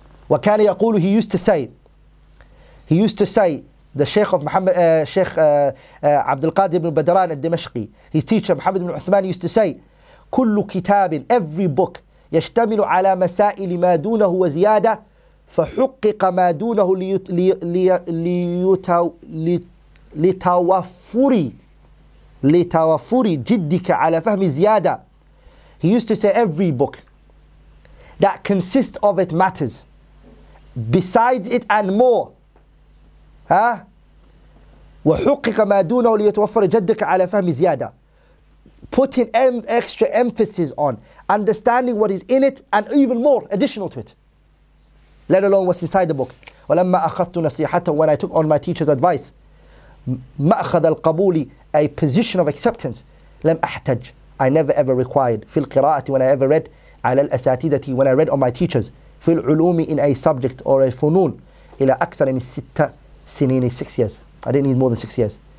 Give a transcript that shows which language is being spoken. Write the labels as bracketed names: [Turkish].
[Arabic] وَكَانَ يَقُولُ, [English] he used to say, the Shaykh of Muhammad, Abdul Qadir ibn Badran al-Dimashqi, his teacher Muhammad ibn Uthman used to say, [Arabic] كُلُّ كِتَابٍ, [English] every book, [Arabic] يَشْتَمِلُ عَلَى مَسَائِلِ مَا دُونَهُ وَزِيَادَةً, فحقق ما دونه لتوفر جدك على فهم زيادة. [English] He used to say every book that consists of it matters besides it and more. [Arabic] وحقق ما دونه لتوفر جدك على فهم زيادة. [English] Putting extra emphasis on understanding what is in it and even more additional to it. Let alone what's inside the book. [Arabic] وَلَمَّا أَخَذْتُ نَصِيحَتَهُ, [English] when I took on my teacher's advice, [Arabic] مَأْخَذَ الْقَبُولِ, [English] a position of acceptance, [Arabic] لَمْ أَحْتَجْ, [English] I never ever required, [Arabic] فِي الْقِرَاءَةِ, [English] when I ever read, [Arabic] عَلَى الْأَسَاتِيدَةِ, [English] when I read on my teachers, [Arabic] فِي الْعُلُومِ, [English] in a subject or a فنون, [Arabic] إِلَى أَكْثَرَ مِنْ سِتَّةِ سِنِينِ, [English] 6 years. I didn't need more than 6 years.